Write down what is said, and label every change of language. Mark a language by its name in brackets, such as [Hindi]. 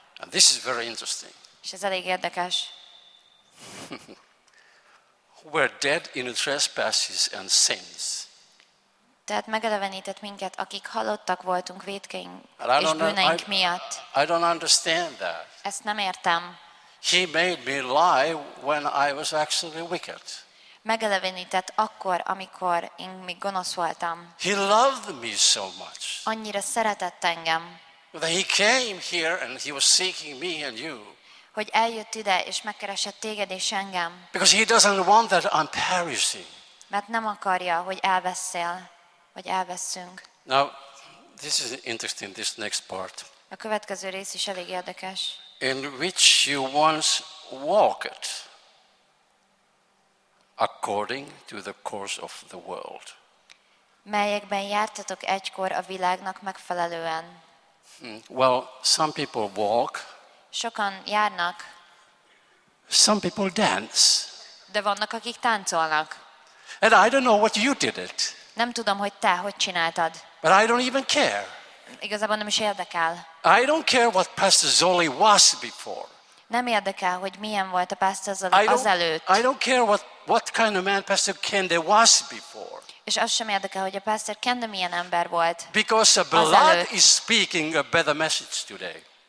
[English] And this is very interesting. [Hungarian] És ez elég érdekes. [English] We're dead in trespasses and sins. [Hungarian] Tehát megelevenített minket, akik halottak voltunk vétkeink és bűneink miatt. [English] I don't understand that. [Hungarian] Ezt nem értem. [English] He made me lie when I was actually wicked. [Hungarian] Megelevenített akkor, amikor én még gonosz voltam. [English] He loved me so much. [Hungarian] Annyira szeretett engem. [English] That he came here and he was seeking me and you. [Hungarian] Hogy eljött ide és megkeresett téged és engem. [English] Because he doesn't want that I'm perishing. [Hungarian] Mert nem akarja, hogy elveszél, vagy elveszünk. [English] Now, this is interesting. This next part. [Hungarian] A következő rész is elég érdekes. [English] In which you once walked according to the course of the world. [Hungarian] Melyekben jártatok egykor a világnak megfelelően. [English] Well, some people walk. [Hungarian] Sokan járnak. [English] Some people dance. [Hungarian] De vannak, akik táncolnak. [English] And I don't know what you did it. [Hungarian] Nem tudom, hogy te hogy csináltad. [English] But I don't even care. [Hungarian] Igazából nem is érdekel. [English] I don't care what Pastor Zoli was before. [Hungarian] Nem érdekel, hogy milyen volt a Pastor Zoli azelőtt. [English] I don't care what kind of man Pastor Kende was before. [Hungarian] És az sem érdekel, hogy a Pastor Kende milyen ember volt. [English] Because the blood is speaking a better message today.